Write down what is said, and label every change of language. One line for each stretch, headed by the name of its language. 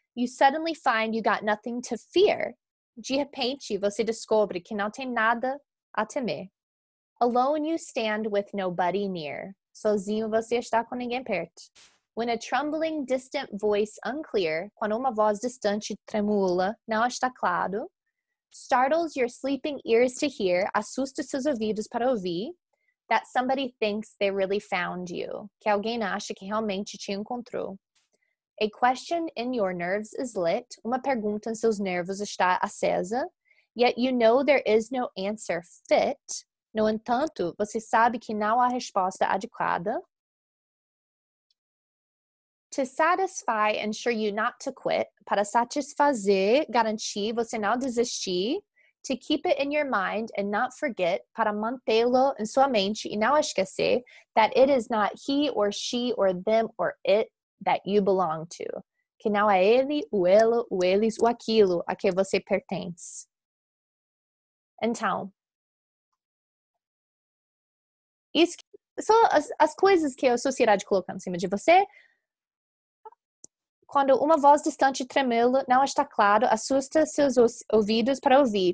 English: You suddenly find you got nothing to fear.
Portuguese: De repente, você descobre que não tem nada a temer.
English: Alone you stand with nobody near.
Portuguese: Sozinho você está com ninguém perto.
English: When a trembling distant voice unclear,
Portuguese: quando uma voz distante tremula, não está claro,
English: startles your sleeping ears to hear,
Portuguese: assusta seus ouvidos para ouvir,
English: that somebody thinks they really found you,
Portuguese: que alguém acha que realmente te encontrou.
English: A question in your nerves is lit,
Portuguese: uma pergunta em seus nervos está acesa,
English: yet you know there is no answer fit.
Portuguese: No entanto, você sabe que não há resposta adequada.
English: To satisfy, ensure you not to quit.
Portuguese: Para satisfazer, garantir, você não desistir.
English: To keep it in your mind and not forget.
Portuguese: Para mantê-lo em sua mente e não esquecer.
English: That it is not he or she or them or it that you belong to.
Portuguese: Que não é ele, o ela, o eles ou aquilo a que você pertence. Então. São as coisas que a sociedade coloca em cima de você. Quando uma voz distante tremula, não está claro, assusta seus ouvidos para ouvir.